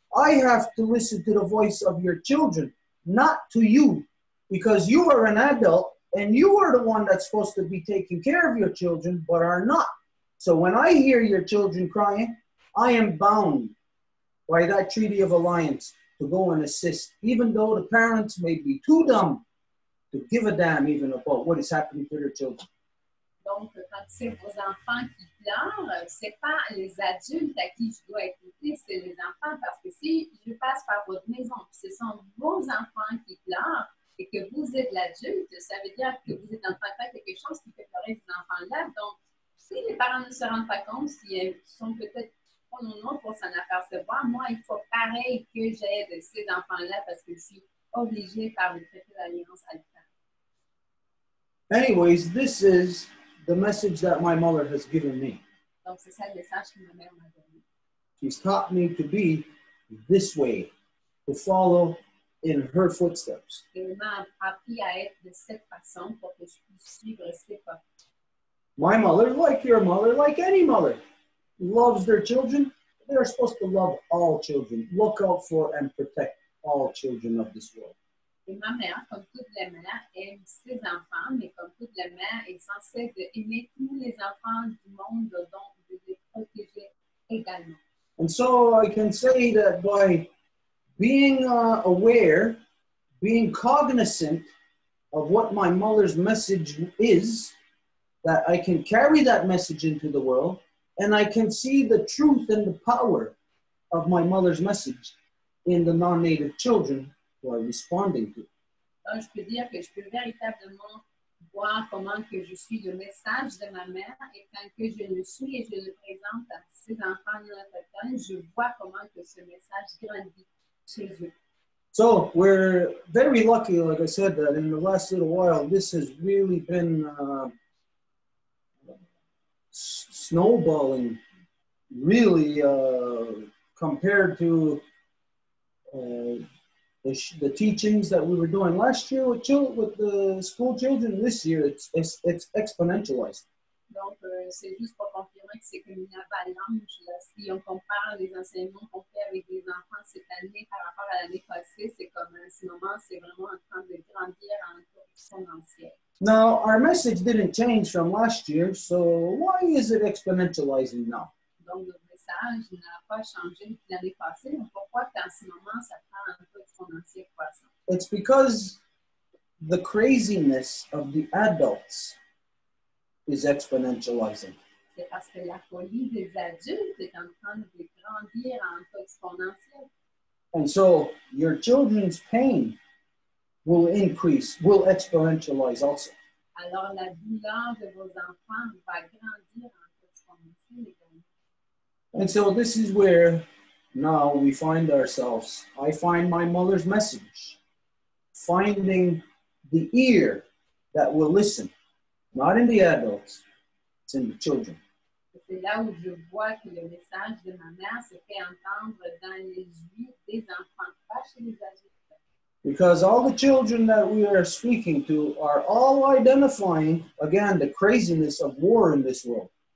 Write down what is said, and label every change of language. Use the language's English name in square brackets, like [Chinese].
[English] I have to listen to the voice of your children, not to you, because you are an adult and you are the one that's supposed to be taking care of your children, but are not. So when I hear your children crying, I am bound by that Treaty of Alliance to go and assist, even though the parents may be too dumb to give a damn even about what is happening to their children. [French] Donc, quand c'est vos enfants qui pleurent, c'est pas les adultes à qui je dois écouter, c'est les enfants, parce que si je passe par votre maison, ce sont vos enfants qui pleurent, et que vous êtes l'adulte, ça veut dire que vous êtes en train de faire quelque chose qui fait pleurer ces enfants-là. Donc, si les parents ne se rendent pas compte, s'ils sont peut-être trop nombreux pour s'en apercevoir, moi, il faut pareil que j'aide ces enfants-là parce que je suis obligée par le traité d'alliance à le faire. [English] Anyways, this is the message that my mother has given me. [French] Donc, c'est ça le message que ma mère m'a donné. [English] She's taught me to be this way, to follow in her footsteps. [French] Elle m'a appris à être de cette façon pour que je puisse suivre ses pas. [English] My mother, like your mother, like any mother, loves their children. They are supposed to love all children, look out for and protect all children of this world. [French] Et ma mère, comme toutes les mères, aime ses enfants, mais comme toutes les mères, est censée aimer tous les enfants du monde, donc de les protéger également. [English] And so I can say that by being aware, being cognizant of what my mother's message is, that I can carry that message into the world, and I can see the truth and the power of my mother's message in the non-native children who are responding to. [French] Donc, je peux dire que je peux véritablement voir comment que je suis le message de ma mère, et quand que je le suis et je le présente à ces enfants de notre temps, je vois comment que ce message grandit chez eux. [English] So, we're very lucky, like I said, that in the last little while, this has really been snowballing, really, compared to the teachings that we were doing last year with the school children. This year, it's exponentialized. [French] Donc, c'est juste pour confirmer que c'est comme une avalanche. Si on compare les enseignements qu'on fait avec les enfants cette année par rapport à l'année passée, c'est comme en ce moment, c'est vraiment en train de grandir en exponentiel. [English] Now, our message didn't change from last year, so why is it exponentializing now? [French] Donc, le message n'a pas changé depuis l'année passée, mais pourquoi qu'en ce moment, ça prend un peu exponentiel croissant? [English] It's because the craziness of the adults is exponentializing. [French] C'est parce que la folie des adultes est en train de grandir en peu exponentiel. [English] And so, your children's pain will increase, will exponentialize also. [French] Alors, la douleur de vos enfants va grandir en exponentiel également. [English] And so this is where now we find ourselves. I find my mother's message, finding the ear that will listen, not in the adults, it's in the children. [French] Et c'est là où je vois que le message de ma mère se fait entendre dans les yeux des enfants, pas chez les adultes. [English] Because all the children that we are speaking to are all identifying, again, the craziness of war in this world.